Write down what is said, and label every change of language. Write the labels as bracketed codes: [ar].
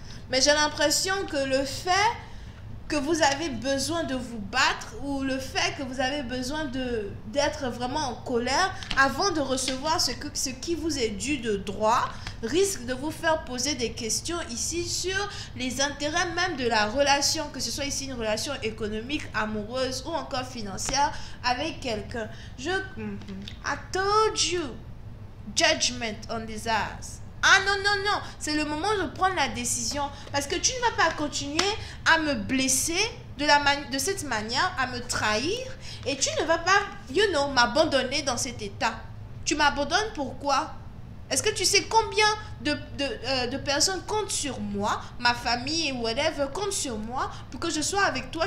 [fr] Mais j'ai l'impression que le fait que vous avez besoin de vous battre ou le fait que vous avez besoin d'être vraiment en colère avant de recevoir ce qui vous est dû de droit risque de vous faire poser des questions ici sur les intérêts même de la relation, que ce soit ici une relation économique, amoureuse ou encore financière avec quelqu'un. Je... [en] I told you, judgment on this ass. [fr] Ah non, non, non, c'est le moment de prendre la décision. Parce que tu ne vas pas continuer à me blesser de cette manière, à me trahir. Et tu ne vas pas, [en] you know, [fr] m'abandonner dans cet état. Tu m'abandonnes pourquoi? Est-ce que tu sais combien de personnes comptent sur moi, ma famille ou whatever, comptent sur moi pour que je sois avec toi?